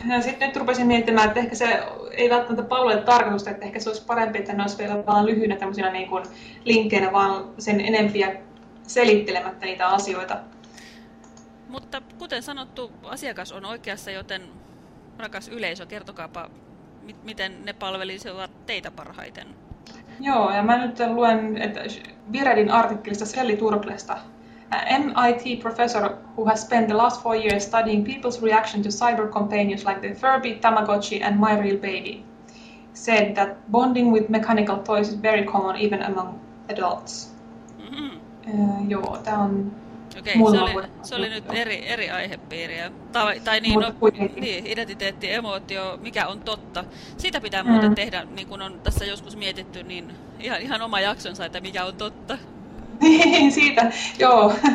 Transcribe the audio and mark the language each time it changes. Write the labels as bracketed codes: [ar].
[fi] Ja sitten nyt rupesin miettimään, että ehkä se ei välttämättä palvelu tarkoitusta, että ehkä se olisi parempi, että ne olisi vielä vaan lyhyinä tämmöisinä niin kuin linkkeinä, vaan sen enempiä selittelemättä niitä asioita. Mutta kuten sanottu, asiakas on oikeassa, joten rakas yleisö, kertokaapa, miten ne palvelisivat teitä parhaiten. Joo, ja mä nyt luen Viredin artikkelista Sally Turklesta. [en] An MIT professor who has spent the last 4 years studying people's reaction to cyber companions like the Furby, Tamagotchi and My Real Baby said that bonding with mechanical toys is very common even among adults. [fi] Mm-hmm. Joo, tämä on... Okei, se oli nyt eri aihepiiriä. Tai niin, identiteetti, emootio, mikä on totta. Siitä pitää muuten tehdä, niin kuin on tässä joskus mietitty, niin ihan oma jaksonsa, että mikä on totta. Niin, siitä, joo.